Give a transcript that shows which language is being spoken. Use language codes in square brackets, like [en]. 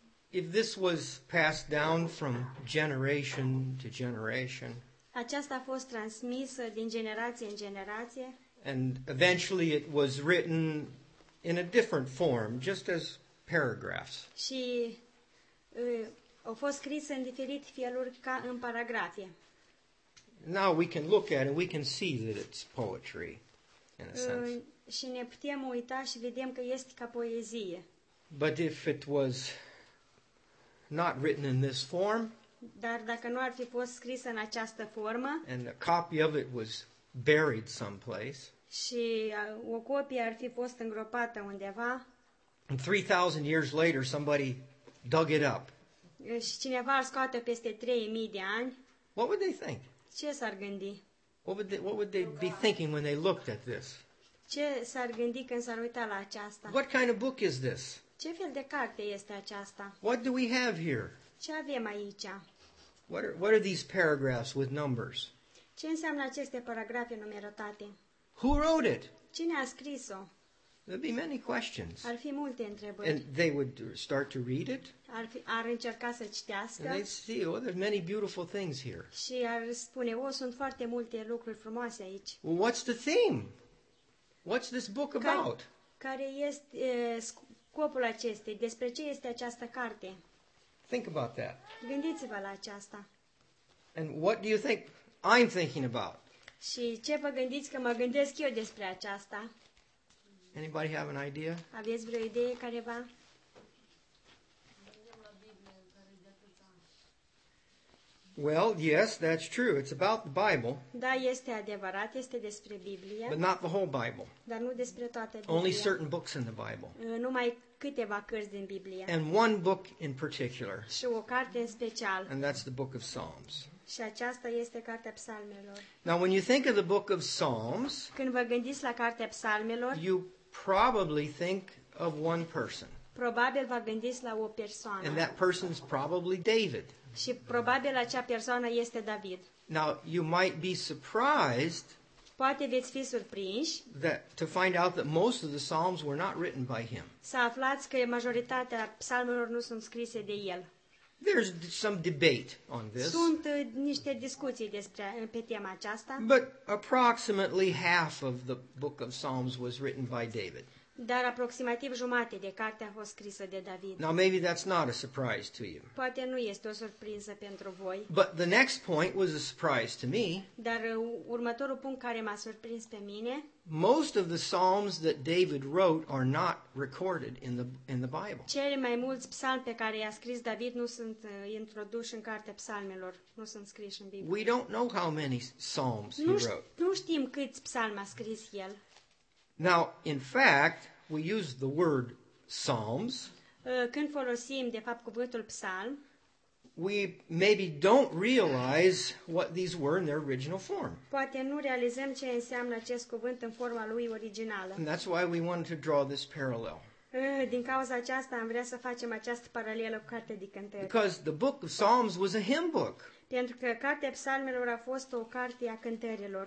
[en] If this was passed down from generation to generation, [ro] aceasta a fost transmisă din generație în generație, [en] and eventually it was written in a different form, just as paragraphs. [ro] Și au fost scrise în diferite feluri ca în paragrafe. [en] Now we can look at it and we can see that it's poetry, in a sense. [ro] Și ne putem uita și vedem că este ca poezie. [en] But if it was not written in this form, [ro] dar dacă nu ar fi fost scrisă în această formă, [en] and a copy of it was buried someplace, [ro] și o copie ar fi fost îngropată undeva, [en] and 3,000 years later somebody dug it up, [ro] și cineva ar scoate peste 3,000 de ani, [en] what would they think? [ro] Ce s-ar gândi? [en] What would they be thinking when they looked at this? [ro] Ce s-ar gândi când s-ar uita la aceasta? [en] What kind of book is this? [ro] Ce fel de carte este aceasta? [en] What do we have here? [ro] Ce avem aici? [en] What are these paragraphs with numbers? [ro] Ce înseamnă aceste paragrafe numerotate? [en] Who wrote it? [ro] Cine a scris-o? [en] There'd be many questions. [ro] Ar fi multe întrebări. [en] And they would start to read it. [ro] Ar încerca să citească. [en] And they'd see, oh, there's many beautiful things here. [ro] Și ar spune, oh, sunt foarte multe lucruri frumoase aici. [en] Well, what's the theme? What's this book about? [ro] Care este scopul acestei? Despre ce este această carte? [en] Think about that. [ro] Gândiți-vă la aceasta. [en] And what do you think I'm thinking about? [ro] Și ce vă gândiți că mă gândesc eu despre aceasta? [en] Anybody have an idea? [ro] Aveți vreo idee careva? [en] Well, yes, that's true. It's about the Bible. [ro] Da, este adevărat, este despre Biblie. [en] But not the whole Bible. [ro] Dar nu despre toată Biblia. [en] Only certain books in the Bible. [ro] Numai câteva cărți din Biblie. [en] And one book in particular. [ro] Și o carte în special. [en] And that's the book of Psalms. [ro] Și aceasta este cartea psalmelor. [en] Now, when you think of the book of Psalms, [ro] când vă gândiți la cartea psalmelor, [en] you probably think of one person. [ro] Probabil vă gândiți la o persoană. [en] And that person is probably David. [ro] Și probabil acea persoană este David. [en] Now, you might be surprised, [ro] poate veți fi surprinși, [en] that to find out that most of the Psalms were not written by him. [ro] Să aflați că majoritatea psalmelor nu sunt scrise de el. [en] There's some debate on this. [ro] Sunt niște discuții despre pe tema aceasta. [en] But approximately half of the book of Psalms was written by David. [ro] Dar aproximativ jumate de carte a fost scrisă de David. [en] Now maybe that's not a surprise to you. [ro] Poate nu este o surpriză pentru voi. [en] But the next point was a surprise to me. [ro] Dar următorul punct care m-a surprins pe mine. [en] Most of the psalms that David wrote are not recorded in the Bible. [ro] Cele mai mulți psalmi pe care i-a scris David nu sunt introduși în cartea psalmelor, nu sunt scriși în Biblie. [en] We don't know how many psalms [ro] nu [en] he wrote. [ro] Nu știm câți psalmi a scris el. [en] Now, in fact, we use the word psalms. [ro] Când folosim, de fapt, cuvântul psalm, [en] we maybe don't realize what these were in their original form. [ro] Poate nu realizăm ce înseamnă acest cuvânt în forma lui originală. [en] And that's why we wanted to draw this parallel. [ro] Din cauza aceasta am vrea să facem această paralelă cu cartea de cântări. [en] Because the book of Psalms was a hymn book. [ro] Pentru că cartea psalmelor a fost o carte a cântărilor.